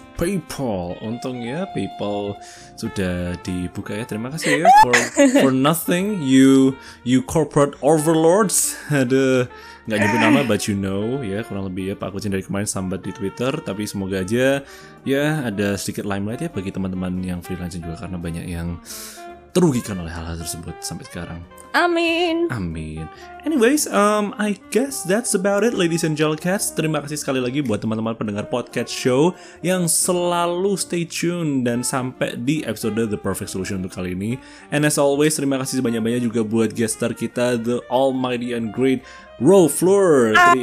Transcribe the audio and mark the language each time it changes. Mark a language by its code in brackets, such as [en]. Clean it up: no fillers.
[id] PayPal, untung ya PayPal sudah dibuka ya. Terima kasih ya [en] for nothing, you corporate overlords. [id] Ada nggak nyebut nama, [en] but you know [id] ya kurang lebih ya. Pak Kucing dari kemarin sambat di Twitter, tapi semoga aja ya ada sedikit limelight ya bagi teman-teman yang freelance juga karena banyak yang terugikan oleh hal-hal tersebut sampai sekarang. Amin. Amin. [en] Anyways, I guess that's about it, ladies and gentlemen. [id] Terima kasih sekali lagi buat teman-teman pendengar podcast show yang selalu stay tune dan sampai di episode The Purrfect Solution untuk kali ini. [en] And as always, [id] terima kasih sebanyak-banyak juga buat [en] guest star [id] kita, [en] the almighty and great Ro Fleur.